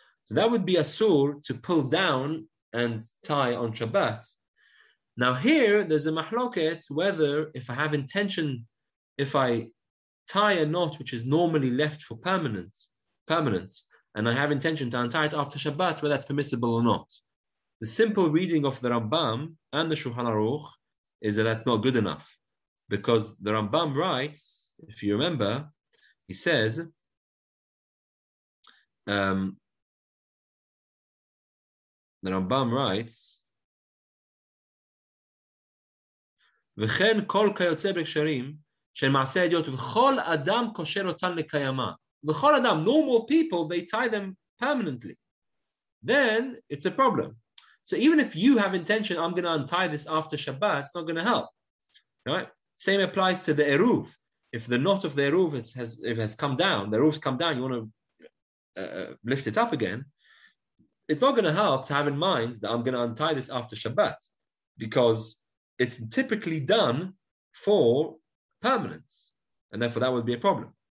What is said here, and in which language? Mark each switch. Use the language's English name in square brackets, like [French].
[English] So that would be asur to pull down and tie on Shabbat. Now here there's a mahloket whether if I have intention If I tie a knot which is normally left for permanence, and I have intention to untie it after Shabbat, whether that's permissible or not. The simple reading of the Rambam and the Shulchan Aruch is that that's not good enough. Because the Rambam writes, if you remember, he says, the Rambam writes, [Hebrew] וכן כל קיוצא בקשרים של מעשה הדיות, וכל אדם קושר אותן לקיימה. וכל אדם, [English] normal people, they tie them permanently. Then it's a problem. So even if you have intention, I'm going to untie this after Shabbat, it's not going to help. Right? Same applies to the Eruv. If the knot of the Eruv has come down, you want to lift it up again, it's not going to help to have in mind that I'm going to untie this after Shabbat, because it's typically done for permanence, and therefore that would be a problem.